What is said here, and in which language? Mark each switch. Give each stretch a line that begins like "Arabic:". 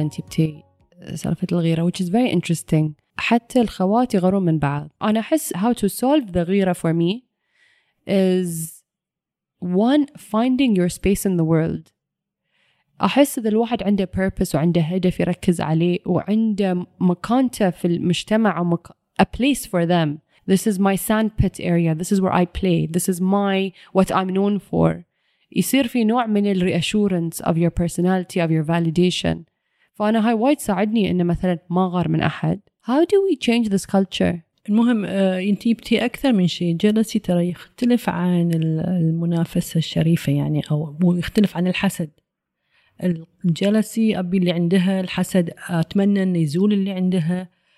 Arabic: أنت بتي سالفة الغيرة
English: which is very interesting.
Arabic: حتى الخوات يغرون من بعض. أنا أحس
English: how to solve the غيرة for me is one, finding your space in the world.
Arabic: أحس إذا الواحد عنده purpose وعنده هدف يركز عليه وعنده مكانته في المجتمع
English: a place for them. This is my sandpit area. This is where I play. This is my what I'm known for.
Arabic: يصير في نوع من ال
English: reassurance of your personality, of your validation.
Arabic: فأنا هاي وايد ساعدني إن مثلا ما غار من أحد.
English: How do we change this culture؟
Arabic: المهم ينتيبتي أكثر من شيء. جلسي ترى يختلف عن المنافسة الشريفة يعني أو يختلف عن الحسد. الجلسي أبي اللي عندها الحسد أتمنى أن يزول اللي عندها.